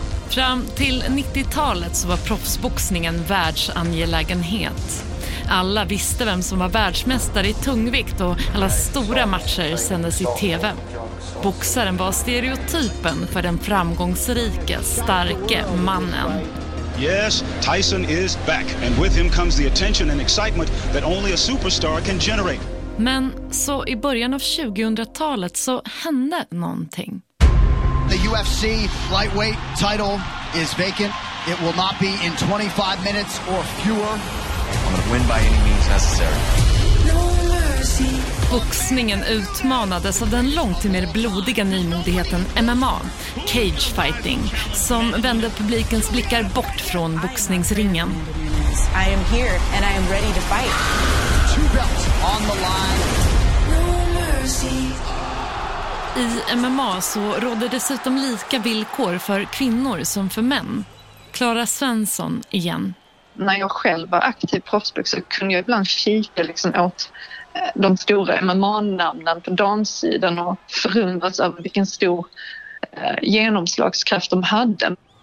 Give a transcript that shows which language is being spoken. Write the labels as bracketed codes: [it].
[sv] Fram till 90-talet så var proffsboxningen världsangelägenhet. Alla visste vem som var världsmästare i tungvikt och alla stora matcher sändes i tv. Boxaren var stereotypen för den framgångsrika, starke mannen. [en] Yes, Tyson is back and with him comes the attention and excitement that only a superstar can generate. [sv] Men så i början av 2000-talet så hände någonting. [en] The UFC lightweight title is vacant. It will not be in 25 minutes or fewer. I'm going to win by any means necessary. No mercy. [sv] Boxningen utmanades av den långt mer blodiga nymodigheten MMA, cage fighting, som vände publikens blickar bort från boxningsringen. [en] I am here and I am ready to fight. Two belts on the line. No mercy. [sv] I MMA så rådde dessutom lika villkor för kvinnor som för män. Klara Svensson igen. När jag själv var aktiv proffsbox så kunde jag ibland kika liksom åt de stora MMA-namnen på damsidan och förundras över vilken stor genomslagskraft de hade.